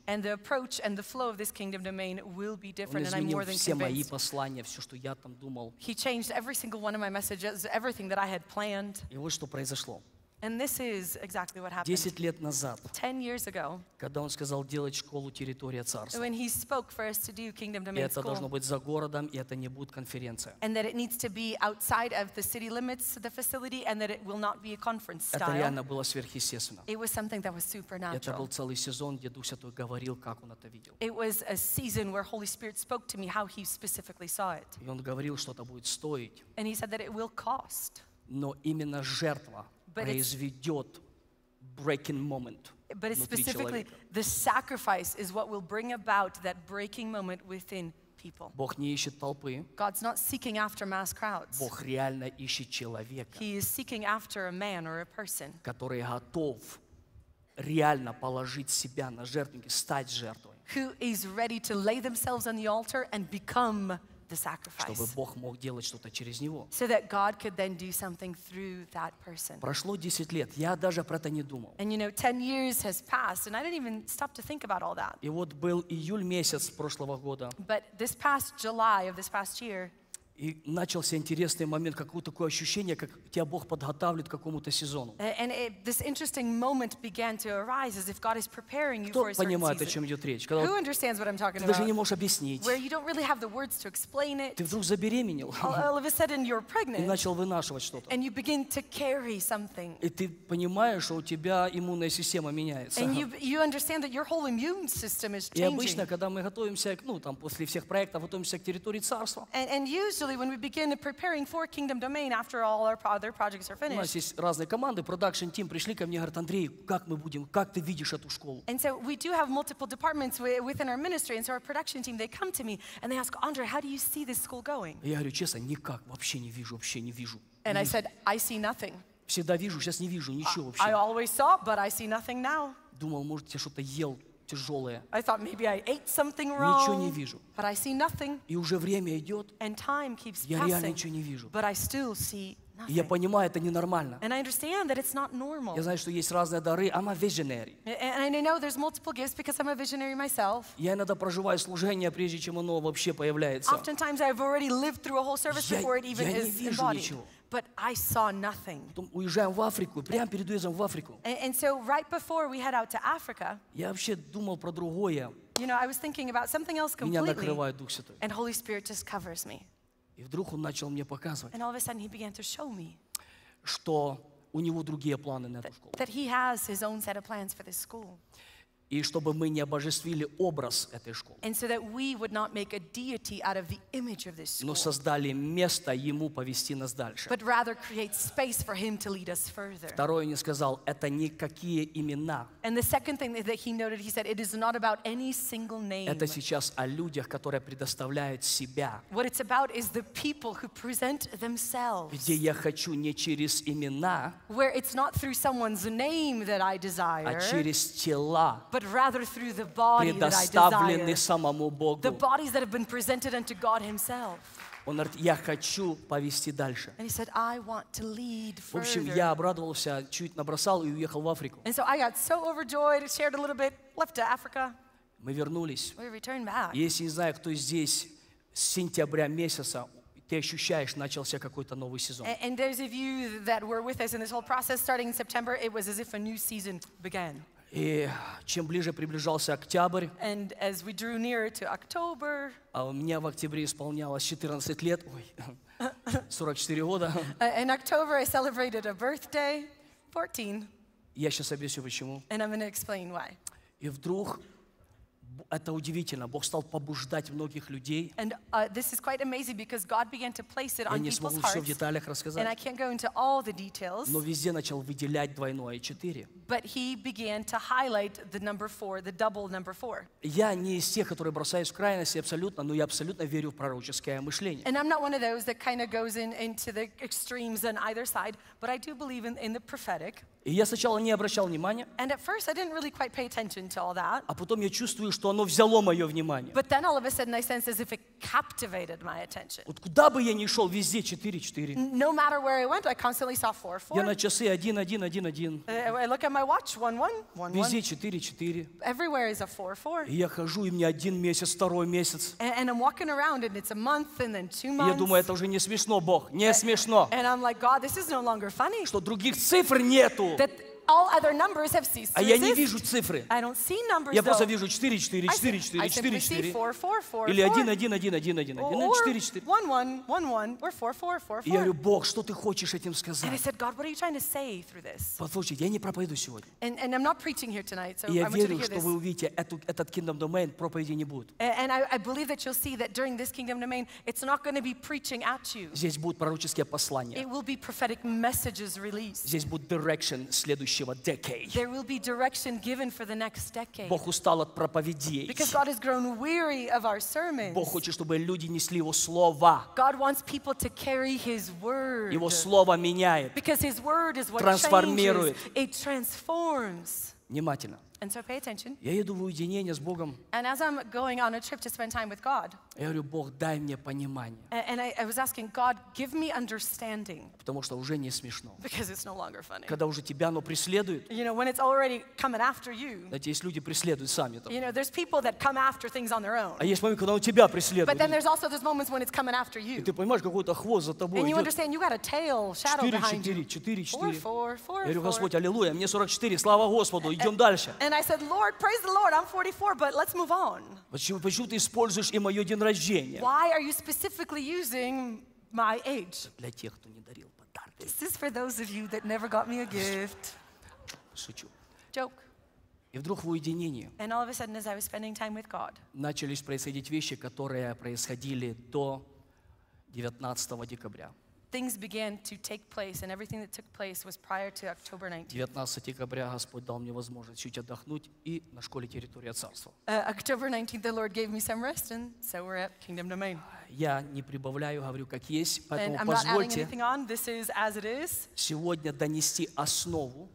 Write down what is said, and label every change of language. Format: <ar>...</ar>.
<en>And the approach and the flow of this kingdom domain will be different, and I'm more than</en> <ru>convinced. Он изменил все мои послания, все, что я там думал.</ru> <en>He changed every single one of my messages, everything that I had planned.</en> <ru>И вот что произошло.</ru> <en>And this is exactly what happened.</en> <ru>10 лет назад.</ru> <en>10 years ago.</en> <ru>Когда он сказал делать школу Территория Царства.</ru> <en>When he spoke for us to do Kingdom Domain School.</en> <ru>И это должно быть за городом, и это не будет конференция.</ru> <en>And that it needs to be outside of the city limits, the facility, and that it will not be a conference style.</en> <ru>Это реально было сверхъестественно.</ru> <en>It was something that was supernatural.</en> <ru>Это был целый сезон, где Дух Святой говорил, как он это видел.</ru> <en>It was a season where Holy Spirit spoke to me how he specifically saw it.</en> <ru>И он говорил, что это будет стоить.</ru> <en>And he said that it will cost.</en> <ru>Но именно жертва.</ru> <en>But it's specifically the sacrifice is what will bring about that breaking moment within people.</en> <ru>Бог не ищет толпы.</ru> <en>God's not seeking after mass crowds.</en> <ru>Бог реально ищет человека.</ru> <en>He is seeking after a man or a person.</en> <ru>Который готов реально положить себя на жертвенник и стать жертвой.</ru> <en>Who is ready to lay themselves on the altar and become the sacrifice.</en> <ru>Чтобы Бог мог делать что-то через него.</ru> <en>So that God could then do something through that person.</en> <ru>Прошло 10 лет, я даже про это не думал.</ru> <en>And you know, 10 years has passed, and I didn't even stop to think about all that.</en> <ru>И вот был июль месяц прошлого года.</ru> <en>But this past July of this past year.</en> <ru>И начался интересный момент, какое-то такое ощущение, как тебя Бог подготавливает к какому-то сезону.</ru> <en>And this interesting moment began to arise as if God is preparing you for a certain</en> <ru>season. Кто понимает, о чем идет речь?</ru> <en>Когда Who understands what I'm talking</en> <ru>ты</ru> <en>about?</en> <ru>Даже не можешь объяснить.</ru> <en>Where you don't really have the words to explain it.</en> <ru>Ты вдруг забеременел.</ru> <en>All of a sudden you're pregnant.</en> <ru>И начал вынашивать что-то.</ru> <en>And you begin to carry something.</en> <ru>И ты понимаешь, что у тебя иммунная система меняется.</ru> <en>And you understand that your whole immune system is changing.</en> <ru>И обычно, когда мы готовимся, ну там после всех проектов, готовимся к территории царства.</ru> <en>And usually when we begin preparing for Kingdom Domain after all our other projects are finished.</en> <ru>У нас есть разные команды, production team пришли ко мне, говорят, Андрей, как мы будем, как ты видишь эту школу?</ru> <en>And so we do have multiple departments within our ministry, and so our production team, they come to me, and they ask, Andrey, how do you see this school going?</en> <ru>Я говорю, честно, никак, вообще не вижу, вообще не вижу.</ru> <en>And I said, I see nothing.</en> <ru>Всегда вижу, сейчас не вижу, ничего вообще.</ru> <en>I always saw, but I see nothing now.</en> <ru>Думал, может, я что-то ел.</ru> <en>I thought maybe I ate something wrong. But I see nothing.</en> <ru>И уже время идет.</ru> <en>And time keeps passing.</en> <ru>Я реально ничего не вижу.</ru> <en>But I still see nothing.</en> <ru>И я понимаю, это ненормально.</ru> <en>And I understand that it's not normal.</en> <ru>Я знаю, что есть разные дары.</ru> <en>I'm a visionary. And I know there's multiple gifts because I'm a visionary myself.</en> <ru>Я иногда проживаю служение, прежде чем оно вообще появляется.</ru> <en>Oftentimes I've already lived through a whole service before it even is embodied. But I saw nothing.</en> <ru>Потом уезжаем в Африку, прямо перед уездом в Африку.</ru> <en>And so right before we head out to Africa.</en> <ru>Я вообще думал про другое.</ru> <en>You know, I was thinking about something else completely.</en> <ru>Меня накрывает Дух Святой.</ru> <en>And Holy Spirit just covers me.</en> <ru>И вдруг он начал мне показывать.</ru> <en>And all of a sudden he began to show me.</en> <ru>Что у него другие планы на эту школу.</ru> <en>That he has his own set of plans for this school.</en> <ru>И чтобы мы не обожествили образ этой школы.</ru> <en>And so that we would not make a deity out of the image of this school.</en> <ru>Но создали место ему повести нас дальше.</ru> <en>But rather create space for him to lead us further.</en> <ru>Второе, не сказал, это никакие имена.</ru> <en>And the second thing that he noted, he said, it is not about any single name.</en> <ru>Это сейчас о людях, которые предоставляют себя.</ru> <en>What it's about is the people who present themselves.</en> <ru>Где я хочу не через имена.</ru> <en>Where it's not through someone's name that I desire.</en> <ru>А через тела.</ru> <en>But rather through the body that I desire. The bodies that have been presented unto God Himself.</en> <ru>Он говорит, я хочу повести дальше.</ru> <en>And he said, I want to lead further.</en> <ru>В общем, я обрадовался, чуть набросал и уехал в Африку.</ru> <en>And so I got so overjoyed, shared a little bit, left to Africa.</en> <ru>Мы вернулись.</ru> <en>We returned back.</en> <ru>Если не знаю, кто здесь с сентября месяца, ты ощущаешь, начался какой-то новый сезон.</ru> <en>And those of you that were with us in this whole process starting in September, it was as if a new season began.</en> <ru>И чем ближе приближался октябрь,</ru> <en>and as we drew nearer to October,</en> <ru>а у меня в октябре исполнялось 14 лет, ой, 44 года.</ru> <en>In October I celebrated a birthday, 14.</en> <ru>Я сейчас объясню почему.</ru> <en>And I'm going to explain why.</en> <ru>И вдруг это удивительно. Бог стал побуждать многих людей.</ru> <en>And this is quite amazing because God began to place it on people's hearts.</en> <ru>Я не смогу все в деталях рассказать.</ru> <en>And I can't go into all the details.</en> <ru>Но везде начал выделять двойное четыре.</ru> <en>But he began to highlight the number four, the double number four.</en> <ru>Я не из тех, которые бросаюсь в крайности абсолютно, но я абсолютно верю в пророческое мышление.</ru> <en>And I'm not one of those that kind of goes into the extremes on either side, but I do believe in the prophetic.</en> <ru>И я сначала не обращал внимания.</ru> <en>And at first I didn't really quite pay attention to all that.</en> <ru>А потом я чувствую, что оно взяло мое внимание.</ru> <en>But then all of a sudden I sense as if it captivated my attention.</en> <ru>Вот куда бы я ни шел, везде 4-4.</ru> <en>No matter where I went, I constantly saw 4-4.</en> <ru>Я на часы 1-1-1-1.</ru> <en>I look at my watch, 1-1-1-1.</en> <ru>Везде 4-4.</ru> <en>Everywhere is a 4-4.</en> <ru>И я хожу, и мне один месяц, второй месяц.</ru> <en>And I'm walking around, and it's a month, and then 2 months.</en> <ru>И я думаю, это уже не смешно, Бог, не смешно.</ru> <en>And I'm like, God, this is no longer funny.</en> <ru>Что других цифр нету.</ru> <en>That all other numbers have ceased to exist.</en> <ru>А я не вижу цифры.</ru> <en>I don't see numbers.</en> <ru>Я просто вижу 4-4-4-4-4-4-4.</ru> <en>I simply see 4-4-4-4.</en> <ru>Или 1-1-1-1-1-1. 4-4.</ru> <en>1-1-1-1-4-4-4-4.</en> <ru>Я говорю, Бог, что ты хочешь этим сказать?</ru> <en>And I said, God, what are you trying to say through this?</en> <ru>Послушай, я не проповедую сегодня.</ru> <en>And I'm not preaching here tonight, so I want</en> <ru>верю,</ru> <en>you to hear this.</en> <ru>Я верю, что вы увидите этот kingdom domain, проповеди не будет.</ru> <en>And I believe that you'll see that during this kingdom domain, it's not going to be preaching at you.</en> <ru>Здесь будут пророческие послания.</ru> <en>It will be prophetic messages released.</en> <ru>Здесь будет direction следующий.</ru> <en>There will be direction given for the next decade.</en> <ru>Бог устал от проповедей.</ru> <en>Because God has grown weary of our sermons.</en> <ru>Бог хочет, чтобы люди несли его слово.</ru> <en>God wants people to carry His word.</en> <ru>Его слово меняет.</ru> <en>Because His word is what</en> <ru>трансформирует.</ru> <en>Changes. It transforms.</en> <ru>Внимательно.</ru> <en>And so pay attention.</en> <ru>Я иду в уединение с Богом.</ru> <en>And as I'm going on a trip to spend time with God.</en> <ru>Я говорю, Бог, дай мне понимание.</ru> <en>And I was asking God, give me understanding.</en> <ru>Потому что уже не смешно.</ru> <en>Because it's no longer funny.</en> <ru>Когда уже тебя оно преследует.</ru> <en>You know, when it's already coming after you.</en> <ru>Есть люди преследуют сами там.</ru> <en>You know, there's people that come after things on their own.</en> <ru>А есть моменты, когда оно тебя преследует.</ru> <en>But then there's also those moments when it's coming after you.</en> <ru>И ты понимаешь, какой-то хвост за тобой идет.</ru> <en>And you understand you got a tail, shadow behind you.</en> <ru>4-4-4-4.</ru> <en>4-4-4-4.</en> <ru>Я говорю, Господь, аллилуйя, мне 44, слава Господу, идем дальше.</ru> <en>And I said, Lord, praise the Lord, I'm 44, but let's move on.</en> <ru>Почему ты используешь и мое день рождения?</ru> <en>Why are you specifically using my age?</en> <ru>Для тех, кто не дарил подарки.</ru> <en>This is for those of you that never got me a gift.</en> <ru>Шучу.</ru> <en>Joke.</en> <ru>И вдруг в уединении.</ru> <en>And all of a sudden, as I was spending time with God.</en> <ru>Начались происходить вещи, которые происходили до 19 декабря.</ru> <en>Things began to take place, and everything that took place was prior to October 19th.</en> <ru>19 декабря Господь дал мне возможность чуть отдохнуть и на школе Территория Царства.</ru> <en>October 19th, the Lord gave me some rest, and so we're at Kingdom Domain.</en> <ru>Я не прибавляю, говорю как есть, поэтому</ru> <en>and</en> <ru>позвольте.</ru> <en>I'm not adding anything on. This is as it is.</en> <ru>Сегодня донести основу.</ru>